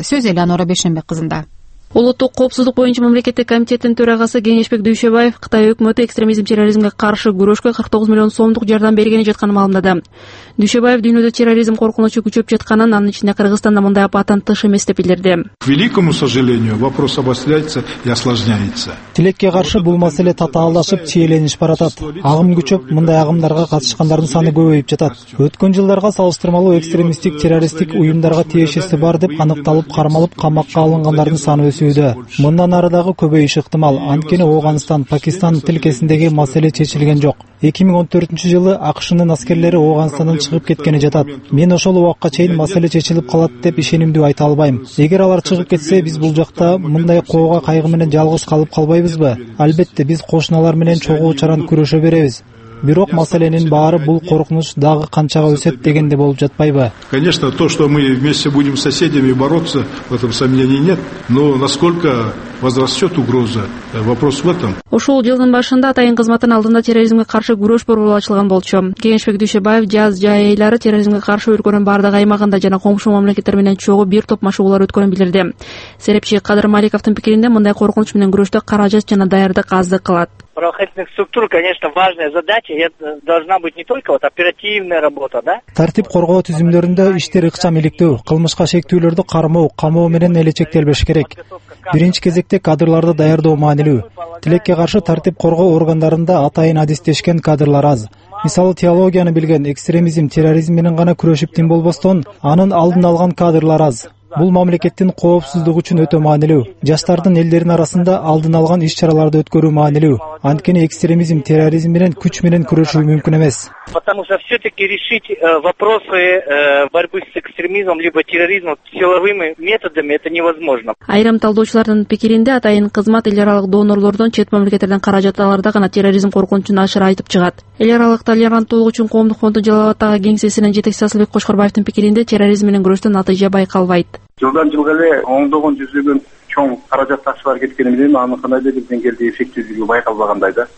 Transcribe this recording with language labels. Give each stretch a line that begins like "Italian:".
Kyrgyz: Сөз Элеонора Бешенбек кызында. Улуттук коопсуздук боюнча мамлекеттик комитеттин төрагасы Кеңешбек Дүйшөбаев Кытай өкмөтү экстремизм терроризмге каршы күрөшкө 49 миллион сомдук жардам бергени жатканын маалымдады. Дүйшөбаев дүйнөдө терроризм коркунучу күчөп жатканын, анын ичинде Кыргызстанда мындай апаттан тыш эмес деп билдирди.
Russian: К великому сожалению, вопрос обостряется и осложняется.
Kyrgyz: Тилекке каршы бул маселе татаалдашып, чиелениш баратат. Агым күчөп, мындай агымдарга катышкандардын саны көбөйүп жатат. Өткөн жылдарга салыштырмалуу экстремисттик террористтик уюмдарга тиешеси бар деп аныкталып, кармалып, камакка алынгандардын саны өсүүдө. Мындан арыдагы көбөйүш ыктымал, анткени Ооганстан, Пакистан тилкесиндеги маселе чечилген жок. 2014 жылы АКШнын аскерлери Ооганстандан чыгып кеткени жатат. Мен ошол убакка чейин маселе чечилип калат деп ишенимдүү айта албайм. Эгер алар чыгып кетсе, биз бул жакта мындай кооуга кайгы менен жалгыз калып калбайбызбы? Албетте, биз кошуналар менен чогуу чаран күрөшө беребиз. Бирок маселенин баары бул коркунуч дагы канчага өсөт дегенде болуп жатпайбы?
Russian: Конечно, то, что мы вместе будем с соседями бороться, в этом сомнений нет, но насколько возрастёт угроза, вопрос в этом.
Kyrgyz: Ушул жылдын башында атайын кызматтын алдында терроризмге каршы күрөш борбору ачылган болчу. Кеңешбек Дүйшөбаев жаз жайлары терроризмге каршы өлкөнүн бардык аймагында жана коңшу мамлекеттер менен чогуу бир топ машыгуулар өткөнүн билдирди. Серепчи Кадыр Маликовтун пикиринде мындай коркунуч менен күрөштө каражат жана даярдык аздык кылат.
Russian: Правоохранительных структур, конечно, важная задача, это должна быть не только вот оперативная работа, да?
Kyrgyz: Тартип коргоо түзүмдөрүндө иштер ыкчам иликтөө, кылмышка шектүүлөрдү кармоо, камоо менен эле чектелбеш керек. Биринчи кезекте кадрларды даярдоо маанилүү. Тилекке каршы тартип коргоо органдарында атайын адистешкен кадрлар аз. Мисалы, теологияны билген, экстремизм, терроризм менен гана күрөшүп тең болбостон, анын алдын алган кадрлар аз. Бул мамлекеттин коопсуздугу үчүн өтө маанилүү. Жаштардын элдерин арасында алдын алган иш-чараларды өткөрүү маанилүү. Анткени экстремизм, терроризм менен күч менен күрөшүү мүмкүн эмес.
Russian: Потому что все-таки решить вопросы борьбы с экстремизмом либо терроризмом силовыми методами это невозможно.
Kyrgyz: Айрым талдоочулардын пикиринде атайын кызмат эл аралык донорлордон, чет мамлекеттерден каражат аларда гана терроризм коркунучун ашыра айтып чыгат. Эл аралык толеранттуулук үчүн коомдук фонду Жалал Абаддагы кеңсесинин жетекчиси Асылбек Кошкорбаевдин пикиринде терроризм менен күрөштө натыйжа байкалбайт. Жылдан жылга эле ондогон жүздөгөн чоң каражат ташылар кеткени менен анын кандайдыр бир деңгээлде эффективдүүлүгү байкалбагандай да.